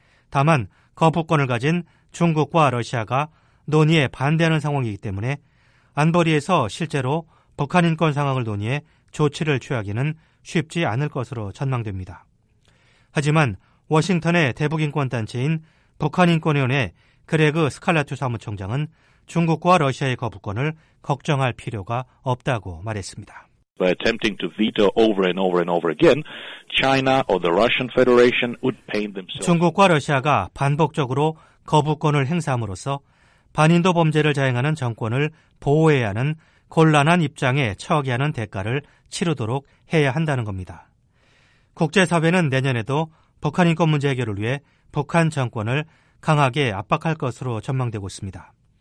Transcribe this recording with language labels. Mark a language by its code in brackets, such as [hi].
[ko] 다만 거부권을 가진 중국과 러시아가 논의에 반대하는 상황이기 때문에 안보리에서 실제로 북한 인권 상황을 논의해 조치를 취하기는 쉽지 않을 것으로 전망됩니다. 하지만 워싱턴의 대북인권단체인 북한인권위원회 그레그 스칼라투 사무총장은 중국과 러시아의 거부권을 걱정할 필요가 없다고 말했습니다. [en] By attempting to veto over and over and over again, China or the Russian Federation would paint themselves. [ko] 중국과 러시아가 반복적으로 거부권을 행사함으로써 반인도 범죄를 자행하는 정권을 보호해야 하는 곤란한 입장에 처하게 하는 대가를 치르도록 해야 한다는 겁니다. 국제사회는 내년에도 북한 인권 문제 해결을 위해 북한 정권을 강하게 압박할 것으로 전망되고 있습니다.